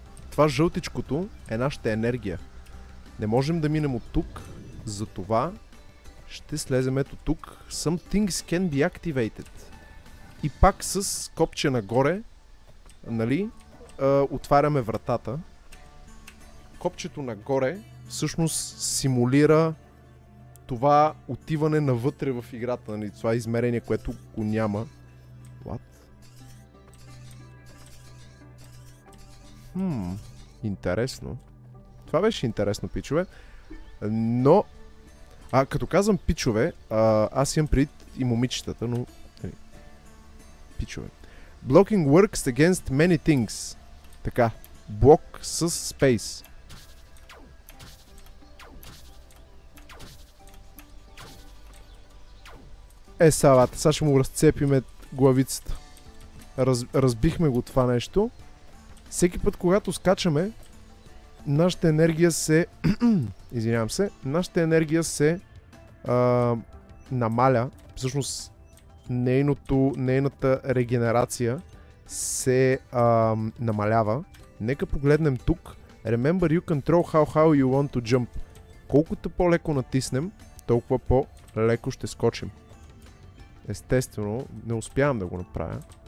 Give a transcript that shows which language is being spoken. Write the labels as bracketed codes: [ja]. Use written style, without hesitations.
[bg] Това жълтичкото е нашата енергия. Не можем да минем от тук, затова ще слезем ето тук. [en] Some things can be activated. [bg] И пак с копче нагоре, нали, отваряме вратата. Копчето нагоре всъщност симулира това отиване навътре в играта, нали, това измерение, което го няма. [en] What? [bg] Интересно. Това беше интересно, пичове. Но, като казвам пичове, аз имам предвид и момичетата, но... Пичове. [en] Blocking works against many things. [bg] Така, блок с space. Сега ще му разцепиме главицата. Разбихме го това нещо. Всеки път, когато скачаме, нашата енергия се... Извинявам се. Нашата енергия се намаля. Всъщност, нейната регенерация се намалява. Нека погледнем тук. [en] Remember, you control how you want to jump. [bg] Колкото по-леко натиснем, толкова по-леко ще скочим. Естествено, не успявам да го направя.